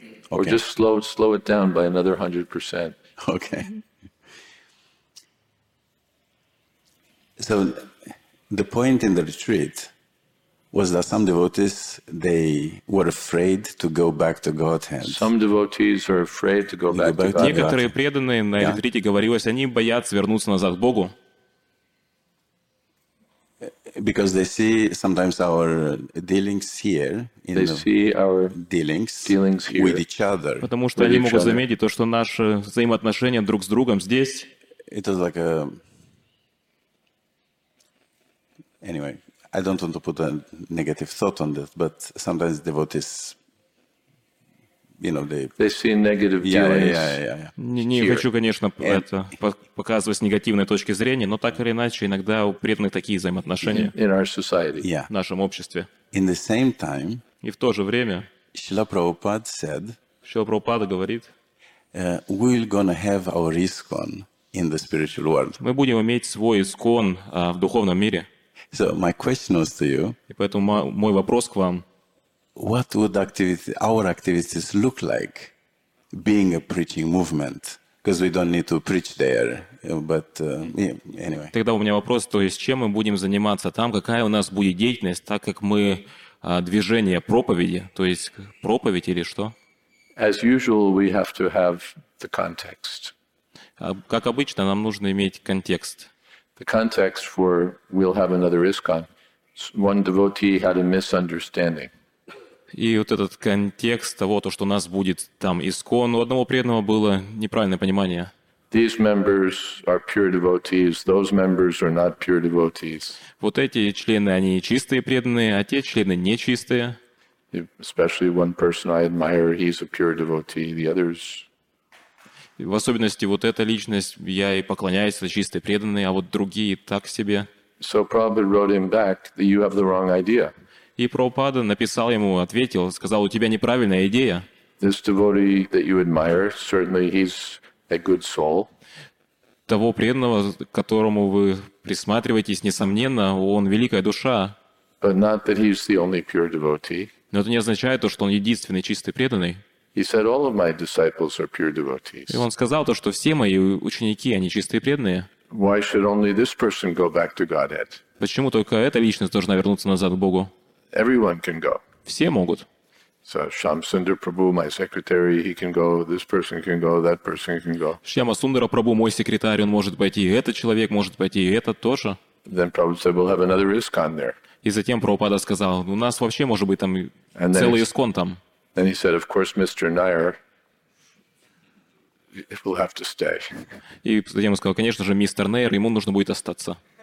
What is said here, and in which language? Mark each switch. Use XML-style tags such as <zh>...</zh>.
<en>Okay. Or just slow it down by another 100%. Okay. So the point in the retreat was that some devotees, they were afraid to go back to Godhead. Some devotees are afraid to go back to Godhead.</en> <ru>Некоторые преданные на ретрите говорилось, они боятся вернуться назад к Богу.</ru> <en>Because they see sometimes our dealings here, in they see our dealings here with each other.</en> <ru>Потому что они могут заметить то, что наши взаимоотношения друг с другом здесь.</ru> <en>It is like a... Anyway, I don't want to put a negative thought on that, but sometimes devotees, you know, they see negative dealings. Yeah.</en> <ru>Не хочу, конечно, показывать с негативной точки зрения, но так или иначе, иногда у преданных такие взаимоотношения</ru> <en>in our society. Yeah.</en> <ru>В нашем обществе.</ru> <en>In the same time,</en> <ru>и в то же время,</ru> <en>Шрила Прабхупада said,</en> <ru>Шрила Прабхупада говорит,</ru> <en>we're gonna have our ISKCON in the spiritual world.</en> <ru>Мы будем иметь свой ISKCON в духовном мире.</ru> <en>So my question was to you.</en> <ru>И поэтому мой вопрос к вам.</ru> <en>What would our activities look like, being a preaching movement? Because we don't need to preach there, but anyway.</en> <ru>Тогда у меня вопрос, то есть чем мы будем заниматься там? Какая у нас будет деятельность, так как мы движение проповеди, то есть проповедь или что?</ru> <en>As usual, we have to have the context.</en> <ru>Как обычно, нам нужно иметь контекст.</ru> <en>The context for we'll have another ISKCON. One devotee had a misunderstanding.</en> <ru>И вот этот контекст того, то, что у нас будет там ИСКОН, у одного преданного было неправильное понимание.</ru> <en>These members are pure devotees. Those members are not pure devotees.</en> <ru>Вот эти члены, они чистые преданные, а те члены нечистые.</ru> <en>Especially one person I admire, he's a pure devotee. The others.</en> <ru>В особенности вот эта личность, я ей поклоняюсь, это чистые преданные, а вот другие так себе.</ru> <en>So Prabhupada wrote him back that you have the wrong idea.</en> <ru>И Прабхупада написал ему, ответил, сказал, у тебя неправильная идея.</ru> <en>This devotee that you admire, certainly he's a good soul.</en> <ru>Того преданного, к которому вы присматриваетесь, несомненно, он великая душа.</ru> <en>But not that he's the only pure devotee.</en> <ru>Но это не означает то, что он единственный чистый преданный.</ru> <en>He said all of my disciples are pure devotees.</en> <ru>И он сказал то, что все мои ученики, они чистые преданные.</ru> <en>Why should only this person go back to Godhead?</en> <ru>Почему только эта личность должна вернуться назад к Богу?</ru> <en>Everyone can go.</en> <ru>Все могут.</ru> <en>So Shyamasundar Prabhu, my secretary, he can go. This person can go. That person can go.</en> <ru>Shyamasundara Prabhu, мой секретарь, он может пойти. Этот человек может пойти. Этот тоже.</ru> <en>Then Prabhupada said, we'll have another ISKCON there.</en> <ru>И затем Прабхупада сказал, у нас вообще может быть там целый ISKCON там.</ru> <en>Then he said, of course, Mr. Nair, we'll have to stay.</en> <ru>И затем он сказал, конечно же, мистер Нейр, ему нужно будет остаться.</ru>